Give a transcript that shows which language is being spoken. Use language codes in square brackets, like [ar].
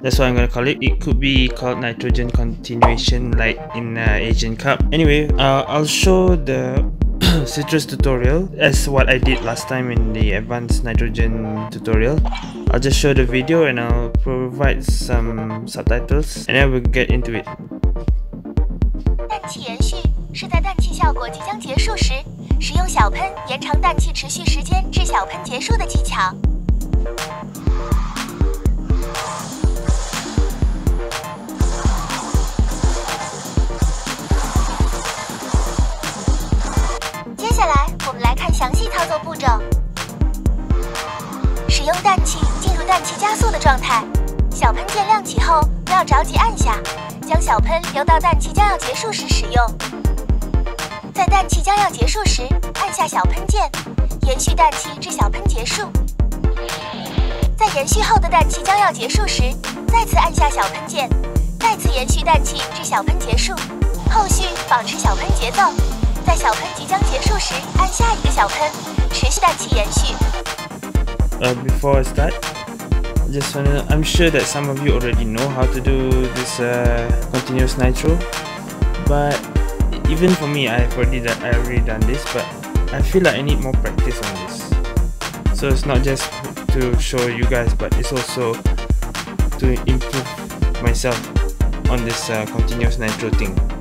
[en] That's what I'm gonna call it. It could be called nitrogen continuation like in Asian Cup. Anyway, I'll show the citrus tutorial as what I did last time in the advanced nitrogen tutorial. I'll just show the video and I'll provide some subtitles and then we'll get into it. [zh] 氮气延续是在氮气效果即将结束时使用小喷延长氮气持续时间至小喷结束的技巧。接下来我们来看详细操作步骤。使用氮气进入氮气加速的状态，小喷键亮起后不要着急按下，将小喷留到氮气将要结束时使用。在氮气将要结束时，按下小喷键，延续氮气至小喷结束。在延续后的氮气将要结束时，再次按下小喷键，再次延续氮气至小喷结束。后续保持小喷节奏，在小喷即将结束时按下一个小喷，持续氮气延续。 [en] Before I start, I'm sure that some of you already know how to do this continuous nitro, but. Even for me, I've already done this, but I feel like I need more practice on this. So it's not just to show you guys, but it's also to improve myself on this continuous nitro thing.